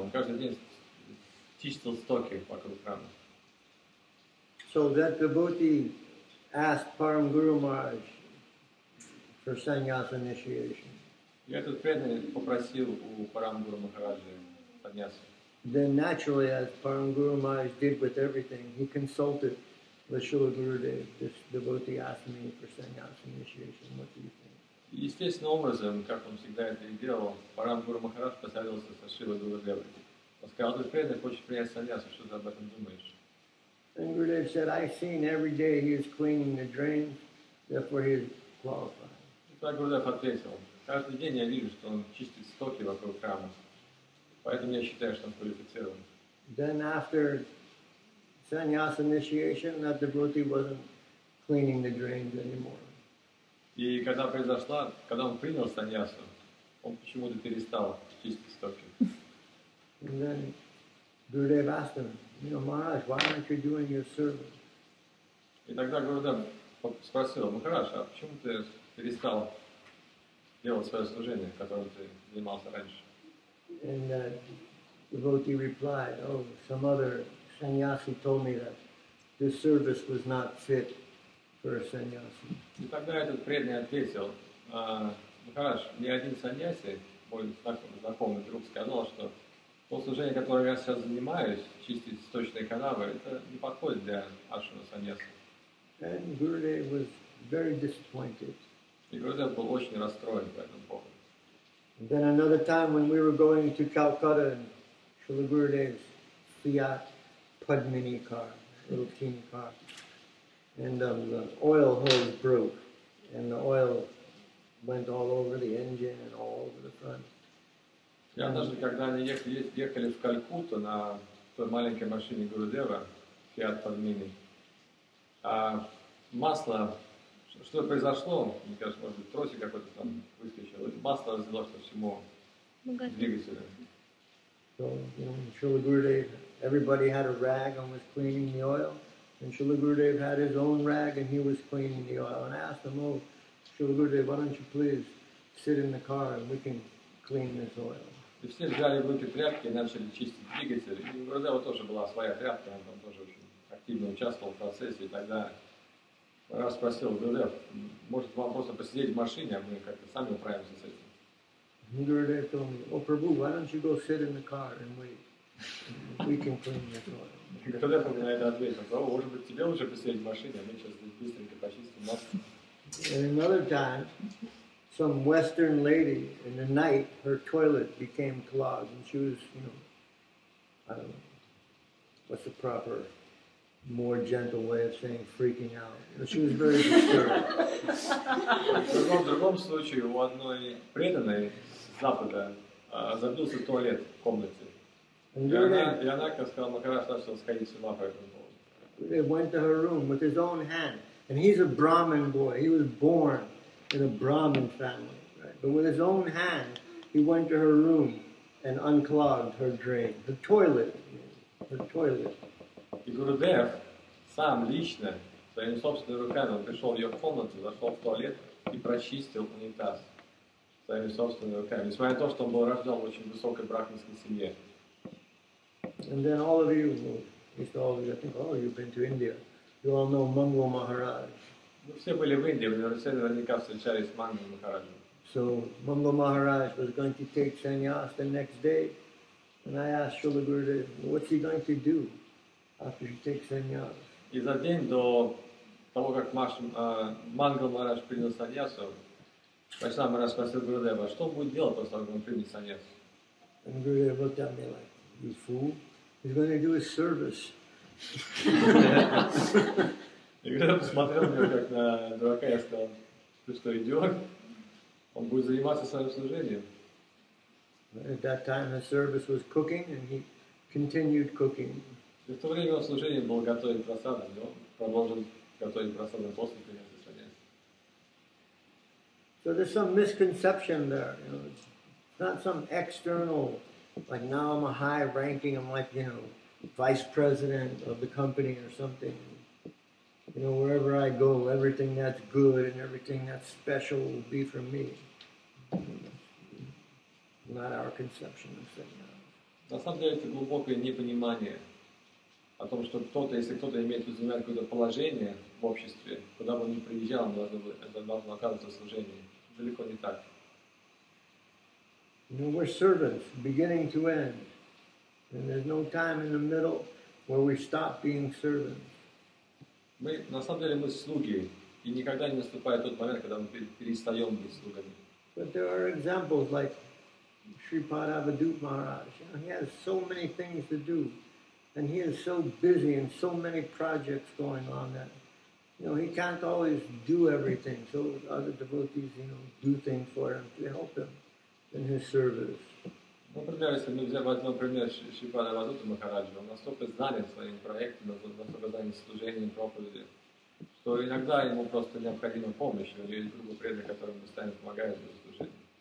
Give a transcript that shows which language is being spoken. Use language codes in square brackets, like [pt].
[ru] Он каждый день чистил стоки вокруг храма. [en] So that devotee asked Param Guru Maharaj for sannyas initiation. [ru] Я тут преданный попросил у Парам Гуру Махараджи сannyas. [en] Then naturally, as Param Guru Maharaj did with everything, he consulted with Srila Gurudev. This devotee asked me for sannyas initiation. What do you think? [ru] Естественным образом, как он всегда это и делал, Парам Гуру Махарадж посоветовался со Шрилой Гурудевой. Он сказал, ты преданный, хочешь принять сannyas, что ты об этом думаешь? [en] And Gurudev said, I've seen every day he is cleaning the drains, therefore he is qualified. [ru] Так Гурудев ответил, каждый день я вижу, что он чистит стоки вокруг храма, поэтому я считаю, что он квалифицирован. [en] Then after sannyas initiation, that devotee wasn't cleaning the drains anymore. [ru] И когда произошла, когда он принял саньясу, он почему-то перестал чистить стоки. [en] And then Gurudev asked him, you know, Maharaj, why aren't you doing your service? [ru] И тогда Гурудев спросил, ну хорошо, а почему ты перестал делать свое служение, которым ты занимался раньше. [en] And that devotee replied, oh, some other sannyasi told me that this service was not fit for a sannyasi. [ru] И тогда этот преданный ответил, ну хорошо, мне один сannyasi, мой знакомый друг, сказал, что то служение, которое я сейчас занимаюсь, чистить сточные канавы, это не подходит для ашрама саньяса. [en] And Gurudev was very disappointed. [ru] И Гурудев был очень расстроен по этому поводу. [en] Then another time when we were going to Calcutta in Srila Gurudev's Fiat Padmini car, little teeny car, and the oil hose broke, and the oil went all over the engine and all over the front. [ru] Я однажды, когда они ехали в Калькутту на той маленькой машине Гурудева, Fiat Padmini, масло... Что произошло? Мне кажется, может быть, тросик какой-то там выскочил. Масло разлилось по всему двигателю. [en] So, you know, Srila Gurudev, everybody had a rag and was cleaning the oil. And Srila Gurudev had his own rag and he was cleaning the oil. And I asked him, oh, Srila Gurudev, why don't you please sit in the car and we can clean this oil. [ru] И все взяли в руки тряпки и начали чистить двигатель. И у Розео тоже была своя тряпка, он там тоже очень активно участвовал в процессе. И тогда раз спросил Гурдев, может вам просто посидеть в машине, а мы как-то сами управимся с этим. [en] Гурдев told me, oh, Prabhu, why don't you go sit in the car and wait? We can clean this oil. [ru] Гурдев мне на это ответил, Прабу, может быть тебе лучше посидеть в машине, а мы сейчас быстренько почистим машину. [en] And another time, some Western lady in the night, her toilet became clogged, and she was, you know, I don't know, what's the proper, more gentle way of saying freaking out? But she was very disturbed. [ru] В другом случае, у одной преданной с Запада забился туалет в комнате, и она сказала, Махарадж начал сходить с ума по этому поводу. [en] He went to her room with his own hand, and he's a Brahmin boy. He was born in a Brahmin family, right? But with his own hand, he went to her room and unclogged her drain, the toilet, her toilet. [ru] И Гурудев сам лично своими собственными руками пришел в ее комнату, зашел в туалет и прочистил унитаз своими собственными руками, несмотря на то, что он был рожден в очень высокой брахманской семье. [en] And then all of you, all of you, I think, oh, you've been to India. You all know Mangal Maharaj. [ru] Мы все были в Индии, в университете наверняка встречались с Мангал Махараджем. [en] So Mangal Maharaj was going to take sannyas the next day, and I asked Srila Gurudev, what's he going to do after he takes sannyas? [ru] И за день до того, как Мангал Махарадж принял саньясу, Вайшнав Махарадж спросил Гурудева, что он будет делать после того, как он примет саньясу? [en] And Gurudev looked at me like, you fool, he's going to do his service. [ru] И когда посмотрел на него как на дурака, я сказал, ты что, идиот? Он будет заниматься своим служением. [en] At that time his service was cooking, and he continued cooking. [ru] И в то время его служение было готовить просады, но продолжил готовить просады после принятия саньяса. [en] So there's some misconception there. You know, it's not some external, like now I'm a high ranking, I'm like, you know, vice president of the company or something. You know, wherever I go, everything that's good and everything that's special will be for me. Not our conception of sannyas. [ru] На самом деле это глубокое непонимание о том, что кто-то, если кто-то имеет какое-то положение в обществе, куда бы он ни приезжал, должно оказываться служение. Далеко не так. [en] You know, we're servants, beginning to end. And there's no time in the middle where we stop being servants. [ru] Мы, на самом деле, мы слуги, и никогда не наступает тот момент, когда мы перестаем быть слугами. [en] But there are examples like Shri Padavadut Maharaj. He has so many things to do, and he is so busy, and so many projects going on that, you know, he can't always do everything. So other devotees, you know, do things for him to help him in his service. [ru] Например, если мы возьмем пример Шри Падавадутта Махараджа, он настолько занят своим проектом, настолько занят служением, проповеди, что иногда ему просто необходима помощь, или есть другой преданный, который постоянно помогает ему служить.